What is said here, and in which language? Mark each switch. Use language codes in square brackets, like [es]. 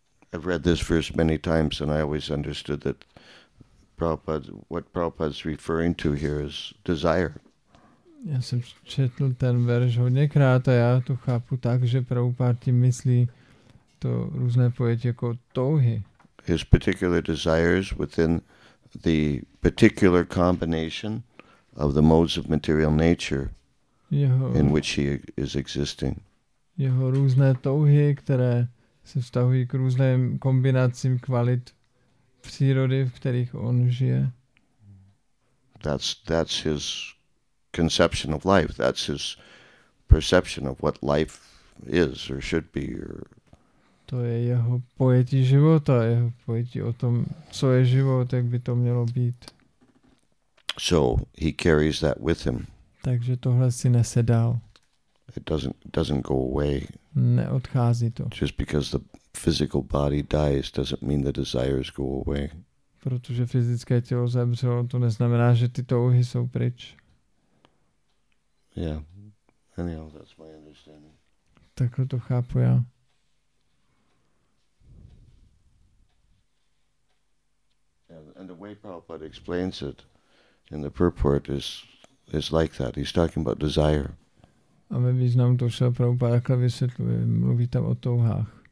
[en] I've read this verse many times, and I always understood that what Prabhupada's referring to here is desire. [cs] Já jsem četl ten verš hodněkrát a já to chápu tak, že Prabhupada tím myslí to různé pojetí jako touhy. [en] His particular desires within the particular combination of the modes of material nature in which he is existing. [cs] Jeho různé touhy, které se vztahují k různým kombinacím kvalit přírody, v kterých on žije. [en] That's his conception of life. That's his perception of what life is or should be. [cs] To je jeho pojetí života, jeho pojetí o tom, co je život, jak by to mělo být. [en] So he carries that with him. [cs] Takže tohle si nese dál. [en] It doesn't go away. [cs] Neodchází to. [en] Just because the physical body dies doesn't mean the desires go away. [cs] Protože fyzické tělo zemřelo, to neznamená, že ty touhy jsou pryč. [en] Yeah. Anyhow, that's my understanding. [cs] Takhle to chápu já. [en] And the way Prabhupada explains it in the purport is like that. He's talking about desire. [cs] A ve významu to šel Prabhupada takhle vysvětluje, mluví tam o touhách.